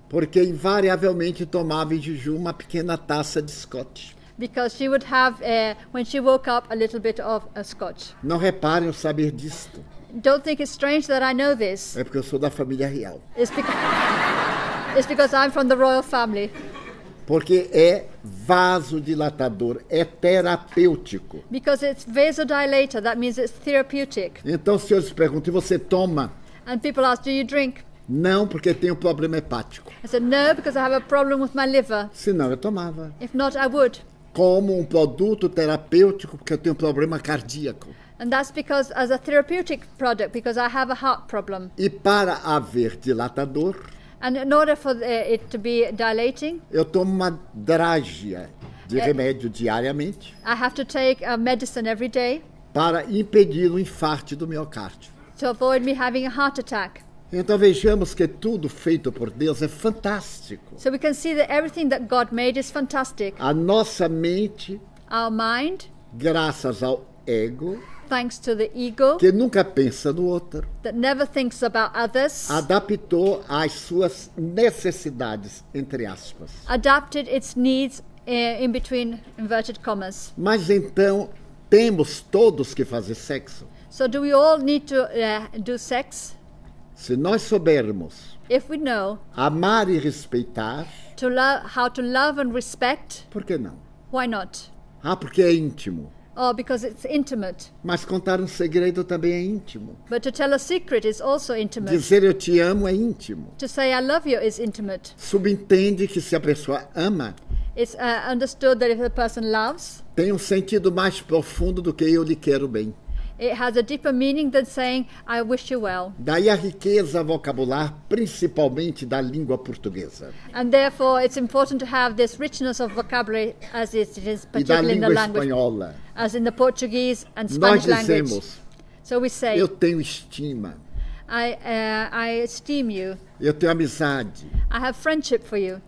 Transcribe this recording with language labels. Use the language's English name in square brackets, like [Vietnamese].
[Portuguese] Porque invariavelmente tomava em jejum uma pequena taça de scotch. [English] Because she would have when she woke up a little bit of a scotch. [Portuguese] Não reparem o saber disto. [English] Don't think it's strange that I know this. [Portuguese] É porque eu sou da família real. [English] It's because I'm from the royal family. [Portuguese] Porque é vasodilatador, é terapêutico. [English] Because it's vasodilator, that means it's therapeutic. [Portuguese] Então, se eu lhes pergunto, você toma? [English] And people ask, do you drink? [Portuguese] Não, porque tenho problema hepático. [English] I said, no, because I have a problem with my liver. [Portuguese] Se não, eu tomava. [English] If not, I would. [Portuguese] Como um produto terapêutico, porque eu tenho problema cardíaco. [English] And that's because as a therapeutic product, because I have a heart problem. [Portuguese] E para haver dilatador. [English] And in order for it to be dilating. [Portuguese] Eu tomo uma drágia de remédio diariamente. [English] I have to take a medicine every day. [Portuguese] Para impedir o infarto do miocárdio. [English] To avoid me having a heart attack. [Portuguese] Então vejamos que tudo feito por Deus é fantástico. [English] So we can see that everything that God made is fantastic. [Portuguese] A nossa mente. [English] Our mind. [Portuguese] Graças ao ego. [English] Thanks to the ego, que nunca pensa no outro, that never thinks about others, [Portuguese] adaptou às suas necessidades, entre aspas. [English] Adapted its needs in between inverted commas. [Portuguese] Mas então, temos todos que fazer sexo? [English] So do we all need to do sex? [Portuguese] Se nós soubermos, [English] if we know, [Portuguese] amar e respeitar, [English] to love, how to love and respect, [Portuguese] por que não? [English] Why not? [Portuguese] Ah, porque é íntimo. [English] Oh, because it's intimate. [Portuguese] Mas contar segredo também é íntimo. [English] But to tell a secret is also intimate. [Portuguese] Dizer eu te amo é íntimo. [English] To say I love you is intimate. [Portuguese] Subentende que se a pessoa ama. [English] It's understood that if a person loves. [Portuguese] Tem sentido mais profundo do que eu lhe quero bem. [English] It has a deeper meaning than saying I wish you well. [Portuguese] Daí a riqueza vocabular, principalmente da língua portuguesa. [English] And therefore it's important to have this richness of vocabulary as it is particularly [Portuguese] e da língua [English] in the language. [Portuguese] Espanhola. [English] As in the Portuguese and Spanish [Portuguese] nós dizemos, [English] language. So we say, [Portuguese] eu tenho estima. [English] I esteem you. [Portuguese] Eu tenho amizade. [English] I have friendship for you.